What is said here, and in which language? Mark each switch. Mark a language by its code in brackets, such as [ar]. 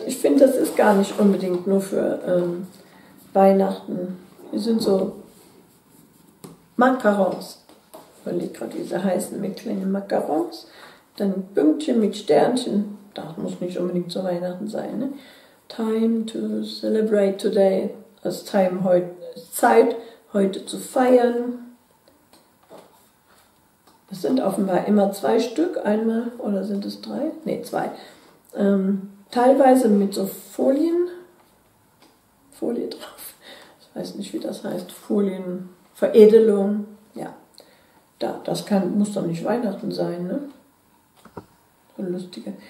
[de] Ich finde, das ist gar nicht unbedingt nur für Weihnachten. Wir sind so Macarons. Ich überlege gerade, wie sie heißen, mit kleinen Macarons. Dann Pünktchen mit Sternchen. Das muss nicht unbedingt zu Weihnachten sein. Ne? [en] Time to celebrate today. [de] Also Zeit, heute zu feiern. Es sind offenbar immer 2 Stück, einmal, oder sind es 3? Ne, 2. Teilweise mit so Folie drauf, ich weiß nicht, wie das heißt, Folienveredelung, ja, muss doch nicht Weihnachten sein, ne? So lustige.